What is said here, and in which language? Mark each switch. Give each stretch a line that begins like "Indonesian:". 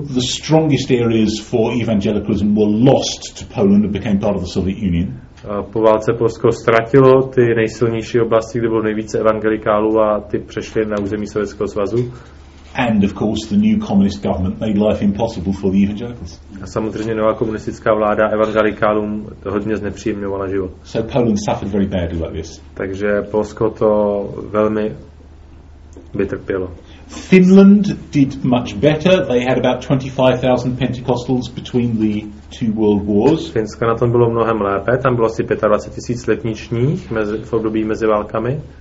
English: The strongest areas for evangelicalism were lost to Poland and became part of the Soviet Union.
Czech: Po válce Polsko ztratilo ty nejsilnější oblasti, kde bylo nejvíce evangelikálů a ty přešly na území Sovětského svazu.
English: And of course the new communist government made life impossible for the evangelicals.
Czech: A samozřejmě nová komunistická vláda evangelikálům hodně znepříjemňovala život.
English: So Poland suffered very badly like this.
Czech: Takže Polsko to velmi vytrpělo.
English: Finland did much better. They had about 25,000 Pentecostals between the two world wars.
Czech: Finsko na tom bylo mnohem lépe. Tam bylo asi 25 000 letničních v období mezi válkami.